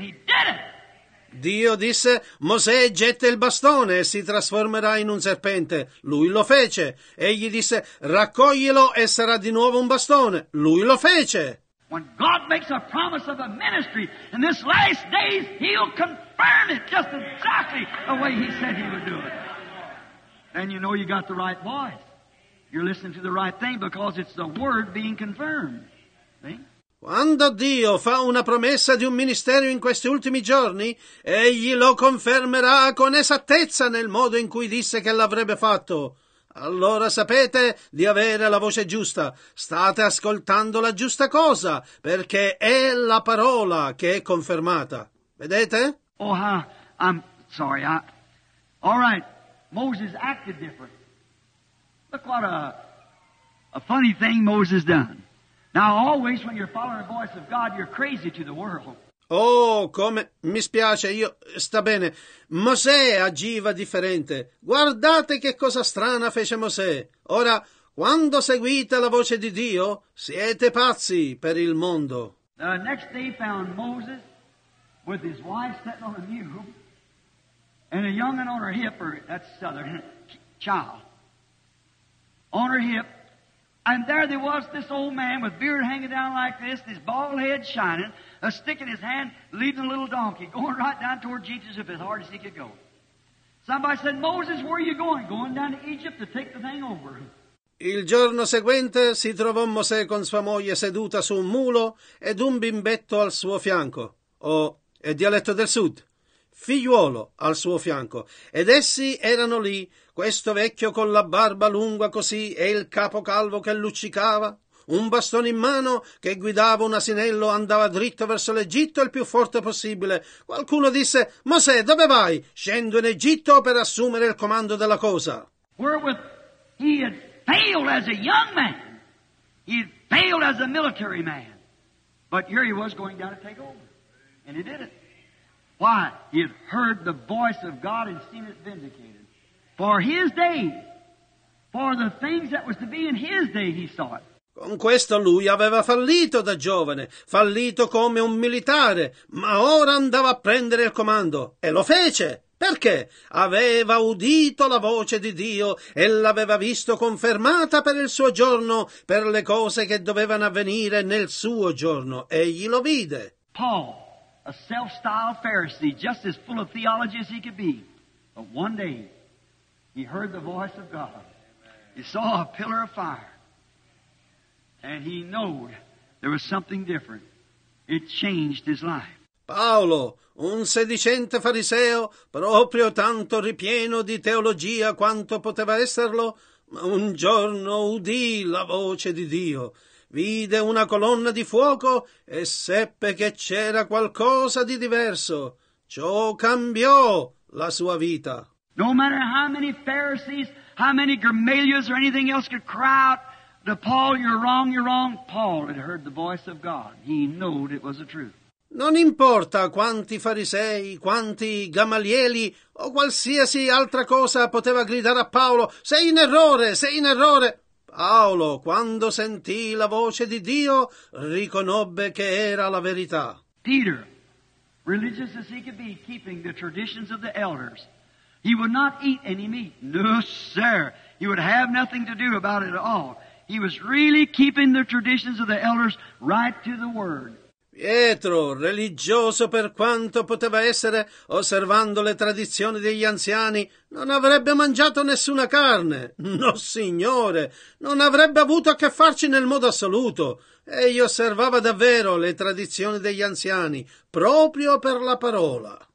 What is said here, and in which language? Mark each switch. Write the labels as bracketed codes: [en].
[en] He did it. [it] Dio disse, Mosè getta il bastone e si trasformerà in un serpente. Lui lo fece. Egli disse, raccoglilo e sarà di nuovo un bastone. Lui lo fece. [en] When God makes a promise of a ministry, in this last days, he'll confirm it just exactly the way he said he would do it. Then you know you got the right voice. You're listening to the right thing because it's the word being confirmed. See? [it] Quando Dio fa una promessa di un ministero in questi ultimi giorni, egli lo confermerà con esattezza nel modo in cui disse che l'avrebbe fatto. Allora sapete di avere la voce giusta. State ascoltando la giusta cosa, perché è la parola che è confermata. Vedete? [en] Oh, I'm sorry. All right. Moses acted different. Look what a funny thing Moses done. Now always when you're following the voice of God, you're crazy to the world. [it] Oh, come mi spiace, io sta bene. Mosè agiva differente. Guardate che cosa strana fece Mosè. Ora, quando seguite la voce di Dio, siete pazzi per il mondo. [en] The next day found Moses with his wife sitting on a mule and a young one on her hip, or that's southern child, on her hip. And there there was this old man with beard hanging down like this, his bald head shining, a stick in his hand, leading a little donkey, going right down toward Jesus as hard as he could go. Somebody said, Moses, where are you going? Going down to Egypt to take the thing over. [it] Il giorno seguente si trovò Mosè con sua moglie seduta su un mulo ed un bimbetto al suo fianco, o, è dialetto del sud, figliuolo al suo fianco, ed essi erano lì, questo vecchio con la barba lunga così e il capo calvo che luccicava, un bastone in mano che guidava un asinello andava dritto verso l'Egitto il più forte possibile. Qualcuno disse, Mosè, dove vai? Scendo in Egitto per assumere il comando della cosa. [en] Failed as a young man. He failed as a military man. But here he was going down to take over. And he did it. Why? He had heard the voice of God and seen it vindicated. For his day, for the things that was to be in his day, he saw it. [it] Con questo lui aveva fallito da giovane, fallito come un militare, ma ora andava a prendere il comando. E lo fece. Perché aveva udito la voce di Dio e l'aveva visto confermata per il suo giorno, per le cose che dovevano avvenire nel suo giorno. Egli lo vide. [en] Paul, a self-styled Pharisee, just as full of theology as he could be. But one day, he heard the voice of God. He saw a pillar of fire. And he knew there was something different. It changed his life. [it] Paolo, un sedicente fariseo, proprio tanto ripieno di teologia quanto poteva esserlo, ma un giorno udì la voce di Dio, vide una colonna di fuoco e seppe che c'era qualcosa di diverso. Ciò cambiò la sua vita. [en] No matter how many Pharisees, how many Gamalias or anything else could cry out to Paul, you're wrong, Paul had heard the voice of God. He knew it was the truth. [it] Non importa quanti farisei, quanti gamalieli o qualsiasi altra cosa poteva gridare a Paolo, sei in errore, sei in errore. Paolo, quando sentì la voce di Dio, riconobbe che era la verità. [en] Peter, religious as he could be, keeping the traditions of the elders, he would not eat any meat. No, sir. He would have nothing to do about it at all. He was really keeping the traditions of the elders right to the word. [it] Pietro, religioso per quanto poteva essere, osservando le tradizioni degli anziani, non avrebbe mangiato nessuna carne. No, signore, non avrebbe avuto a che farci nel modo assoluto. Egli osservava davvero le tradizioni degli anziani, proprio per la parola.